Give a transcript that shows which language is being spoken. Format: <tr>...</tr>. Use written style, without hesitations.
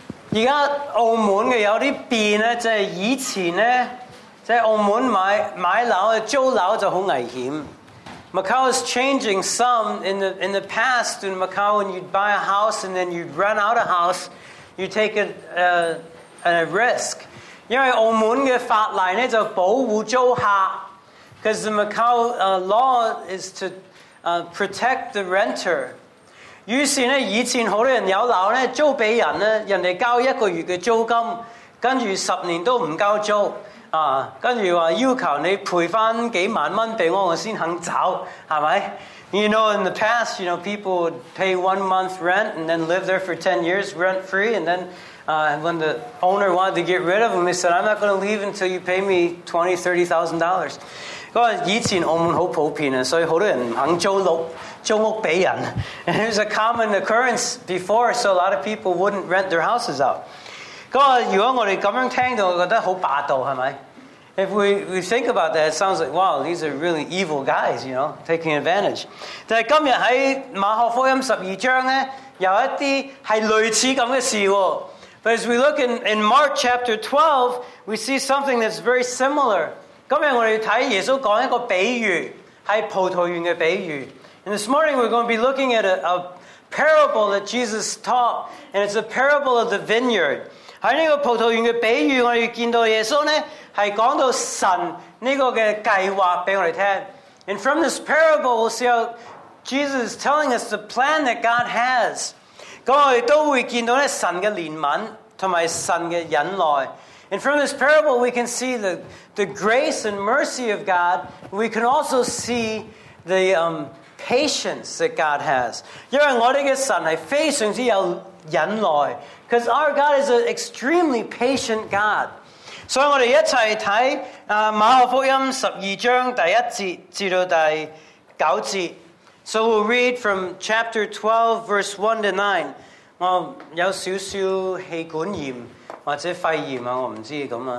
<yue>而家澳门嘅有啲变咧，即系以前咧，即系澳门买楼租楼就好危险。</yue> <en>Macau is changing some. In the past in Macau, when you'd buy a house and then you'd run out of house, you take a risk.</en> <yue>因为澳门嘅法例咧就保护租客 ，</yue> <en>because the Macau law is to protect the renter.</en> <yue>于是咧，以前好多人有楼咧租俾人咧，人哋交一个月嘅租金，跟住十年都唔交租。啊，跟住話要求你賠翻幾萬蚊俾我，我先肯走，係咪 ？</yue> <en>You know, in the past, you know, people would pay 1 month rent and then live there for 10 years rent free, and then, when the owner wanted to get rid of them, they said, "I'm not going to leave until you pay me $20,000-$30,000."</en> <yue>嗰個以前澳門好普遍啊，所以好多人唔肯租屋俾人。</yue> <en>And it was a common occurrence before, so a lot of people wouldn't rent their houses out.</en> <yue>如果我哋咁样听到，我觉得好霸道，系咪 ？</yue> <en>If we think about that, it sounds like wow, these are really evil guys, you know, taking advantage.</en> <yue>但系今日喺马可福音十二章咧，有一啲系类似咁嘅事。</yue> <en>But as we look in Mark chapter 12, we see something that's very similar.</en> <yue>今日我哋睇耶稣讲一个比喻，系葡萄园嘅比喻。</yue> <en>And this morning we're going to be looking at a parable that Jesus taught, and it's a parable of the vineyard.</en> <yue>喺呢个葡萄园嘅比喻，我哋见到耶稣咧系讲到神呢个嘅计划俾我哋听。</yue> <en>And from this parable, we'll see how Jesus is telling us the plan that God has.</en> <yue>咁我哋都会见到咧神嘅怜悯同埋神嘅忍耐。</yue> <en>And from this parable, we can see the grace and mercy of God. We can also see the patience that God has.</en> <yue>因为我哋嘅神系非常之有忍耐。</yue> <en>Because our God is an extremely patient God. So we're going to read Mark 12, 12 verses 1 to 9. So we'll read from chapter 12, verse 1 to 9. I have a little bit of a heart disease or a heart disease.</en>